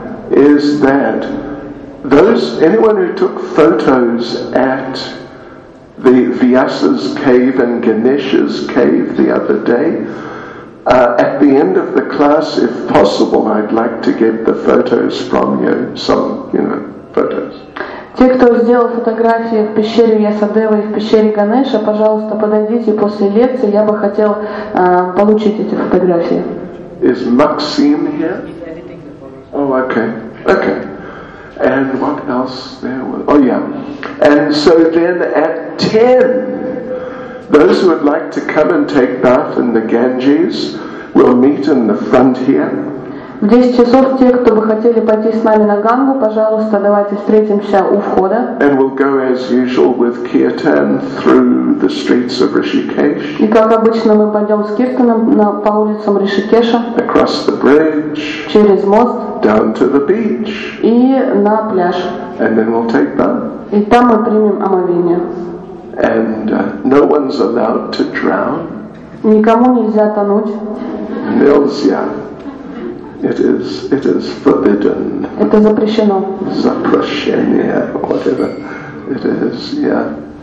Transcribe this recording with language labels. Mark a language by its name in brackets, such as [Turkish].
[English] Is that those, anyone who took photos at the Vyasa's cave and Ganesha's cave the other day, at the end of the class, if possible, I'd like to get the photos from you, some, you know, photos. [Russian] Те, кто сделал фотографии в пещере Ясадевы и в пещере Ганеша, пожалуйста, подойдите после лекции, я бы хотел получить эти фотографии. [English] Is Maxim here? Oh, okay. Okay. And what else there was? Oh, yeah. And so then at 10, those who would like to come and take bath in the Ganges will meet in the front here. [Russian] В 10 часов те, кто бы хотели пойти с нами на Гангу, пожалуйста, давайте встретимся у входа. [English] And we'll go as usual with Kirtan through the streets of Rishikesh. [Russian] И как обычно мы пойдем с Киртаном по улицам Ришикеша. [English] Across the bridge. [Russian] Через мост. [English] Down to the beach. [Russian] И на пляж. [English] And then we'll take bath. [Russian] И там мы примем омовение. [English] And no one's allowed to drown. [Russian] Никому нельзя тонуть. Нельзя. [English] It is forbidden. [Russian] Это запрещено. Запрещение, [English] whatever it is, yeah.